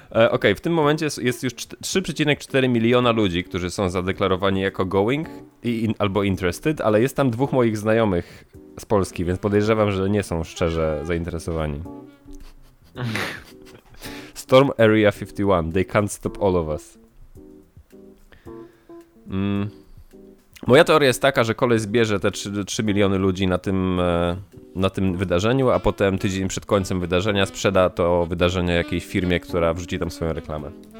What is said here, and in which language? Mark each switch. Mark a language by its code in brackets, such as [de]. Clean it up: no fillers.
[pl] Okej, w tym momencie jest już 3,4 miliona ludzi, którzy są zadeklarowani jako [en] going [pl] albo [en] interested, [pl] ale jest tam dwóch moich znajomych z Polski, więc podejrzewam, że nie są szczerze zainteresowani. [en] Storm Area 51, they can't stop all of us. [pl] Moja teoria jest taka, że koleś zbierze te 3 miliony ludzi na tym wydarzeniu, a potem tydzień przed końcem wydarzenia sprzeda to wydarzenie jakiejś firmie, która wrzuci tam swoją reklamę.